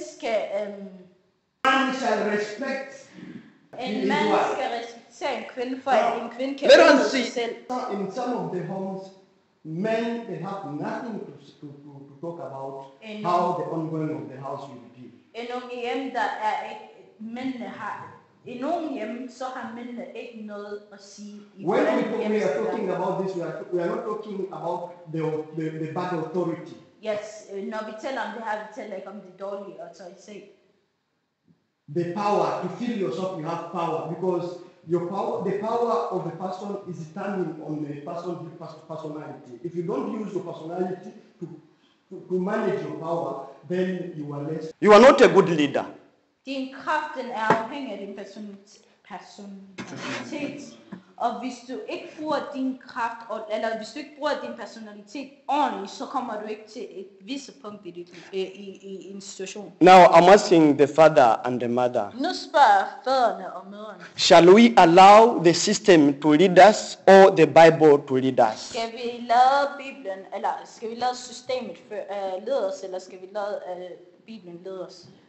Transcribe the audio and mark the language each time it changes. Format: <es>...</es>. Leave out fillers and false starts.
<da>skal respect. En mand skal respektere en kvinde, for at en kvinde kan være sig selv.</da> <en>In some of the homes, men they have nothing to talk about how the ongoing of the house will be.</en> <da>En nogle hjem der er mændene har. I nogle hjem så har mændene ikke noget at sige.</da> <en>When we are talking about this, we are not talking about the bad authority.</en> <da>Yes, når vi taler om det her, vi taler ikke om det dårlige autoritet.</da> <en>The power to feel yourself you have power, because your power, the power of the person is standing on the person's personality. If you don't use your personality to manage your power, then you are less. You are not a good leader.</en> <da>Din kraft er afhængig af din personalitet. Og hvis du ikke bruger din kraft, eller hvis du ikke bruger din personalitet ordentligt, så kommer du ikke til et visse punkt i situation.</da> <en>Now I'm asking the father and the mother.</en> <da>Nu spørger fædrene og mødrene.</da> <en>Shall we allow the system to lead us or the Bible to lead us?</en> <da>Skal vi lade Bibelen, eller skal vi lade systemet lede os, eller skal vi lade Bibelen lede os?</da>